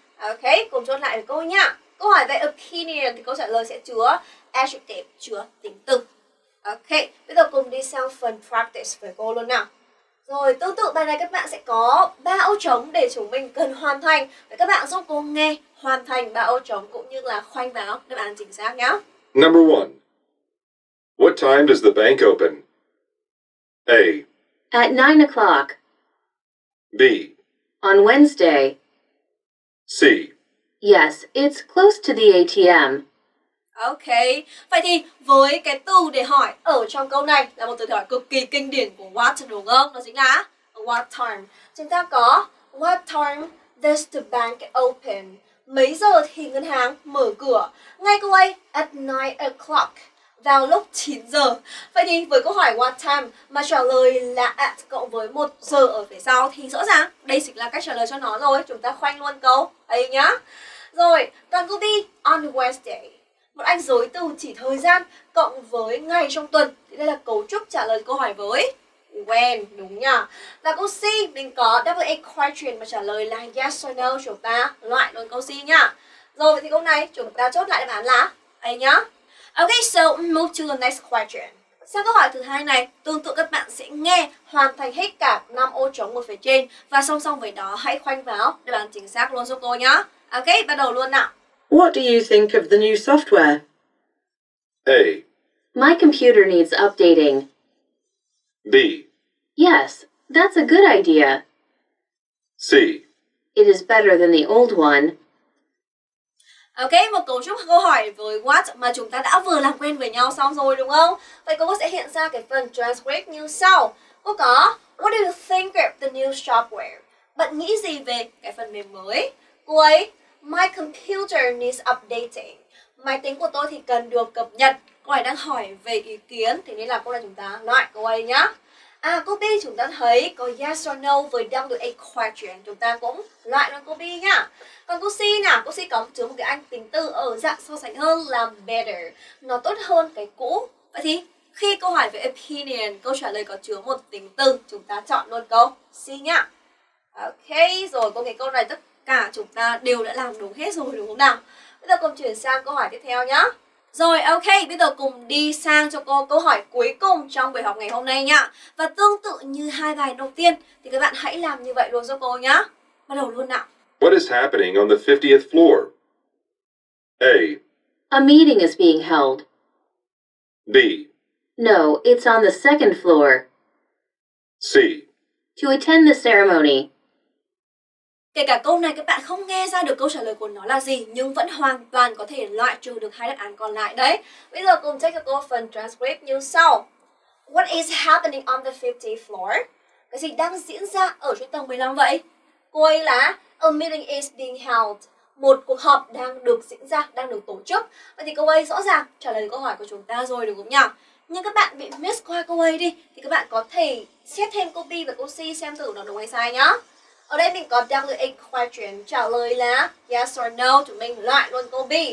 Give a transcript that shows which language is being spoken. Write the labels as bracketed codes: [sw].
[vi] Ok, cùng chốt lại với cô nhá. Câu hỏi về opinion thì câu trả lời sẽ chứa adjective, chứa tính từ. Ok, bây giờ cùng đi sang phần practice với cô luôn nào. Rồi, tương tự bài này các bạn sẽ có 3 ô trống để chúng mình cần hoàn thành. Vậy các bạn giúp cô nghe hoàn thành 3 ô trống cũng như là khoanh vào đáp án chính xác nhá. [en] Number 1. What time does the bank open? A. At 9 o'clock. B. On Wednesday. C. Yes, it's close to the ATM. [vi] Ok, vậy thì với cái từ để hỏi ở trong câu này là một từ hỏi cực kỳ kinh điển của what, đúng không? Nó chính là what time. Chúng ta có [en] what time does the bank open? [vi] Mấy giờ thì ngân hàng mở cửa? Ngay câu ấy, [en] at 9 o'clock, [vi] vào lúc 9 giờ. Vậy thì với câu hỏi what time mà trả lời là at cộng với 1 giờ ở phía sau thì rõ ràng đây chính là cách trả lời cho nó rồi. Chúng ta khoanh luôn câu ấy nhá. Rồi, còn câu đi [en] on Wednesday. [vi] Một anh dối từ chỉ thời gian cộng với ngày trong tuần. Thì đây là cấu trúc trả lời câu hỏi với when, đúng nhỉ? Và câu C, mình có double A question mà trả lời là [en] yes or no. [vi] Chúng ta loại luôn câu C nhá. Rồi, vậy thì câu này chúng ta chốt lại đáp án là A nhá. [en] Ok, so move to the next question. [vi] Sau câu hỏi thứ hai này, tương tự các bạn sẽ nghe hoàn thành hết cả 5 ô trống ở phía trên. Và song song với đó, hãy khoanh vào đáp án chính xác luôn giúp cô nhá. Ok, bắt đầu luôn nào. [en] What do you think of the new software? A. My computer needs updating. B. Yes, that's a good idea. C. It is better than the old one. [vi] Ok, một cấu trúc câu hỏi với what mà chúng ta đã vừa làm quen với nhau xong rồi đúng không? Vậy cô sẽ hiện ra cái phần transcript như sau. Cô có [en] What do you think of the new software? [vi] Bạn nghĩ gì về cái phần mềm mới? Cô ấy [en] My computer needs updating. [vi] Máy tính của tôi thì cần được cập nhật. Cô ấy đang hỏi về ý kiến, thế nên là cô là chúng ta loại cô ấy nhá. À, cô B chúng ta thấy có [en] yes or no [vi] với WA question. Chúng ta cũng loại luôn cô B nhá. Còn cô C nào, cô C có chứa một cái anh tính từ ở dạng so sánh hơn là better. Nó tốt hơn cái cũ. Vậy thì khi câu hỏi về opinion, câu trả lời có chứa một tính từ, chúng ta chọn luôn câu C nhá. Ok, rồi cô nghĩ câu này tức cả chúng ta đều đã làm đúng hết rồi đúng không nào? Bây giờ cùng chuyển sang câu hỏi tiếp theo nhá. Rồi, ok, bây giờ cùng đi sang cho cô câu hỏi cuối cùng trong buổi học ngày hôm nay nhá. Và tương tự như hai bài đầu tiên, thì các bạn hãy làm như vậy luôn cho cô nhá. Bắt đầu luôn nào. [en] What is happening on the 50th floor? A. A meeting is being held. B. No, it's on the second floor. C. To attend the ceremony. [vi] Kể cả câu này các bạn không nghe ra được câu trả lời của nó là gì, nhưng vẫn hoàn toàn có thể loại trừ được hai đáp án còn lại đấy. Bây giờ cùng check cho cô phần transcript như sau. [en] What is happening on the 50th floor? [vi] Cái gì đang diễn ra ở trên tầng 15 vậy? Cô ấy là [en] a meeting is being held. [vi] Một cuộc họp đang được diễn ra, đang được tổ chức. Vậy thì cô ấy rõ ràng trả lời câu hỏi của chúng ta rồi đúng không nhỉ? Nhưng các bạn bị miss qua câu ấy đi, thì các bạn có thể xét thêm câu B và câu C xem thử nó đúng hay sai nhá. Ở đây mình có WA question trả lời là [en] yes or no, [vi] chúng mình loại luôn câu B.